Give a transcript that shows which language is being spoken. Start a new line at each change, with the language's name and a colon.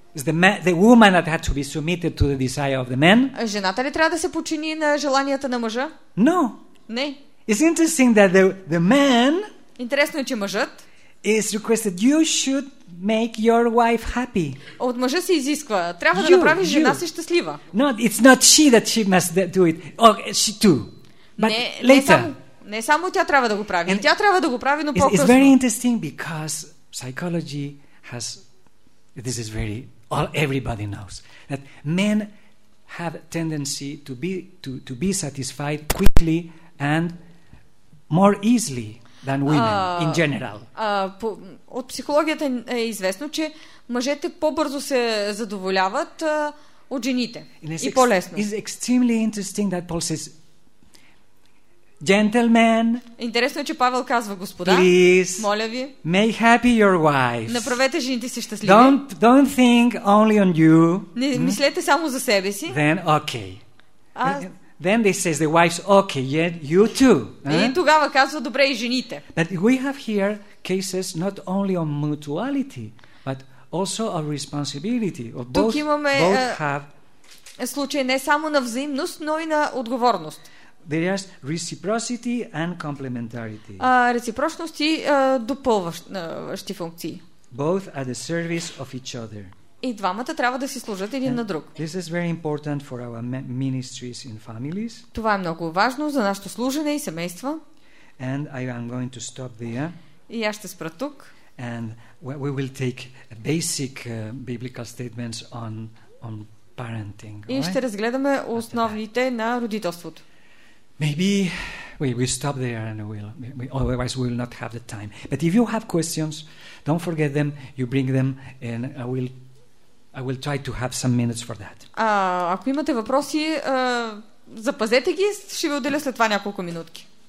English: Is the woman that had to be submitted to the desire of the man?
Bulgarian: Жената ли трябва да се подчини на желанията на мъжа?
English: No.
Bulgarian: Не.
English: It's interesting that the man.
Bulgarian: Интересно е, че мъжът.
English: Is requested. You should make your wife happy.
Bulgarian: От мъжа се изисква. Трябва да направи жена си щастлива.
English: No, it's not she that she must do it. Oh, she too. But
Bulgarian: не,
English: later.
Bulgarian: Не само тя трябва да го прави. And тя трябва да го прави, но по-късно.
English: It's very interesting because psychology has this is very all everybody knows that men have tendency to be satisfied quickly and more easily than women in general.
Bulgarian: От психологията е известно, че мъжете по-бързо се задоволяват от жените и по-лесно.
English: It's extremely interesting that Paul says Gentlemen.
Bulgarian: Интересно е, че Павел казва, господа,
English: please,
Bulgarian: моля ви,
English: make happy your wives.
Bulgarian: Направете жените си щастливи.
English: Don't think only on you. Не мислете само за себе си. Then okay. Then they says the wives, okay, yeah, you too.
Bulgarian: И тогава казва добре и жените.
English: But we have here cases not only on mutuality, but also of responsibility. Of both,
Bulgarian: тук имаме
English: both have
Bulgarian: случай не само на взаимност, но и на отговорност.
English: There is reciprocity and complementarity.
Bulgarian: Реципрочност и допълващи функции.
English: Both are the service of each other.
Bulgarian: И двамата трябва да си служат един
English: and
Bulgarian: на друг.
English: This is very important for our ministries in families.
Bulgarian: Това е много важно за нашето служене и семейства.
English: And I am going to stop there.
Bulgarian: И аз ще спра тук.
English: And we will take basic biblical statements on parenting.
Bulgarian: И ще разгледаме основните на родителството.
English: Maybe we stop there and otherwise we will not have the time. But if you have questions, don't forget them. You bring them and I will try to have some minutes for that.
Bulgarian: Ако имате въпроси, запазете ги, ще ви отделя след това няколко минутки.